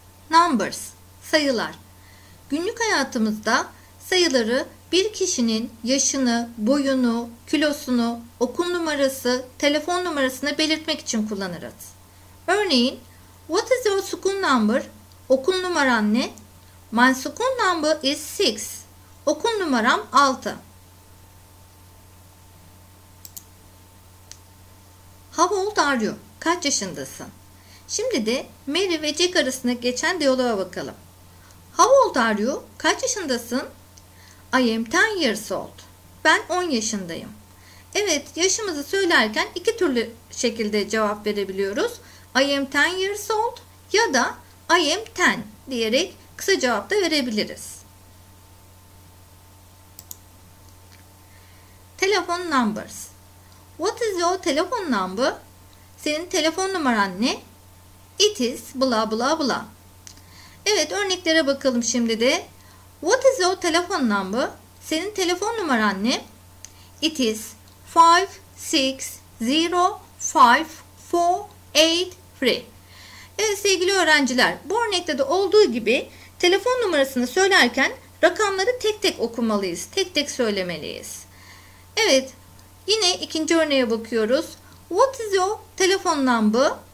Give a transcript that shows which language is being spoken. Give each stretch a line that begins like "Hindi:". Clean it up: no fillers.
English: Numbers, sayılar.
Turkish: Günlük hayatımızda sayıları bir kişinin yaşını, boyunu, kilosunu, okul numarası, telefon numarasını belirtmek için kullanırız.
English: Örneğin, what is your school number?
Turkish: Okul numaran ne?
English: My school number is 6.
Turkish: Okul numaram 6.
English: How old are you?
Turkish: Kaç yaşındasın? Şimdi de Mary ve Jack arasında geçen diyaloğa bakalım.
English: How old are you?
Turkish: Kaç yaşındasın?
English: I am 10 years old.
Turkish: Ben 10 yaşındayım. Evet, yaşımızı söylerken iki türlü şekilde cevap verebiliyoruz.
English: I am 10 years old
Turkish: ya da
English: I am 10
Turkish: diyerek kısa cevap da verebiliriz.
English: Telefon numbers. What is your telephone number?
Turkish: Senin telefon numaran ne?
English: It is blah blah blah.
Turkish: Evet, örneklere bakalım şimdi de.
English: What is your telephone number?
Turkish: Senin telefon numaran ne?
English: It is 5605483.
Turkish: Evet sevgili öğrenciler, bu örnekte de olduğu gibi telefon numarasını söylerken rakamları tek tek okumalıyız, tek tek söylemeliyiz. Evet, yine ikinci örneğe bakıyoruz.
English: What is your telephone number?